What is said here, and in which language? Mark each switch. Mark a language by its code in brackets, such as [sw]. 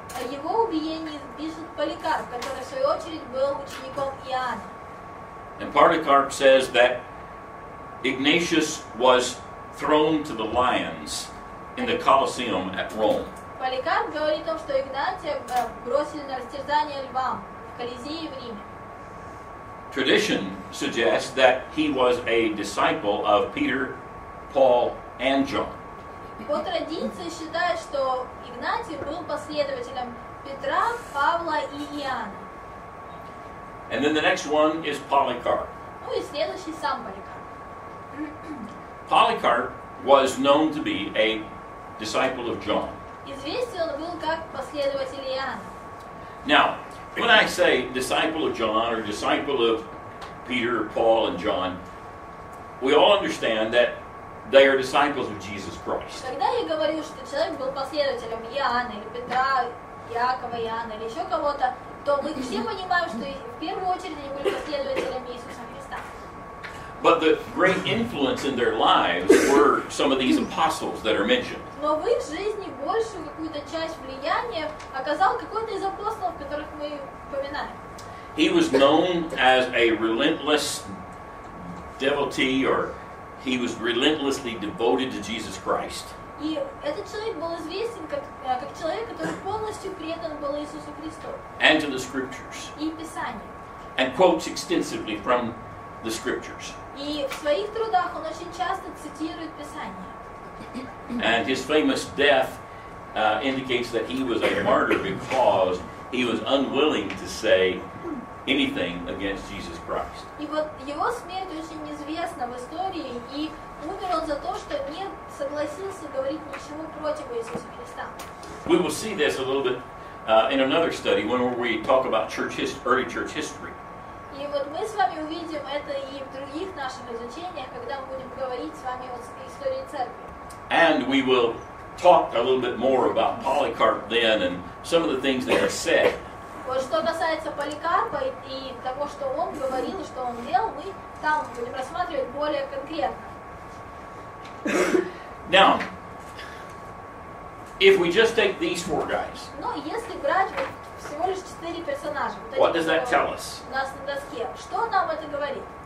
[ru] Его убиение пишет Поликарп, который в свою очередь был учеником Иоанна. [en] And Polycarp says that Ignatius was thrown to the lions in the Colosseum at Rome. [ru] Поликарп говорит о том, что Игнатия бросили на растерзание львам в Колизее в Риме. [en] Tradition suggests that he was a disciple of Peter, Paul, and John. [ru] По традиции считают, что Игнатий был последователем Петра, Павла и Иоанна. [en] And then the next one is Polycarp. [ru] Ну и следующий сам Поликарп. [en] Polycarp was known to be a disciple of John. [ru] Известен он был как последователь Иоанна. [en] Now, when I say disciple of John or disciple of Peter, Paul, and John, we all understand that they are disciples of Jesus Christ. [ru] Когда я говорю, что человек был последователем Иоанна или Петра, Якова, Иоанна или еще кого-то, то мы все понимаем, что в первую очередь они были последователями Иисуса Христа. [en] But the great influence in their lives were some of these apostles that are mentioned. [ru] Но в их жизни большую какую-то часть влияния оказал какой-то из апостолов, которых мы упоминаем. [en] He was known as a relentless devotee, or he was relentlessly devoted to Jesus Christ. [ru] И этот человек был известен как человек, который полностью предан был Иисусу Христу. [en] And to the Scriptures. [ru] И Писанию. [en] And quotes extensively from the Scriptures. [ru] И в своих трудах он очень часто цитирует Писание. [en] And his famous death indicates that he was a martyr because he was unwilling to say anything against Jesus Christ. [ru] И вот его смерть очень известна в истории, и умер он за то, что не согласился говорить ничего против Иисуса Христа. [en] We will see this a little bit in another study when we talk about early church history. [ru] И вот мы с вами увидим это и в других наших изучениях, когда мы будем говорить с вами о истории церкви. [en] And we will talk a little bit more about Polycarp then and some of the things that are said. [ru] Вот что касается Поликарпа и того, что он говорил, что он делал, мы там будем рассматривать более конкретно. [en] Now, if we just take these four guys, [ru] ну, если брать вот всего лишь четыре персонажа, вот [en] what does that tell us? [ru] У нас на доске, что нам это говорит?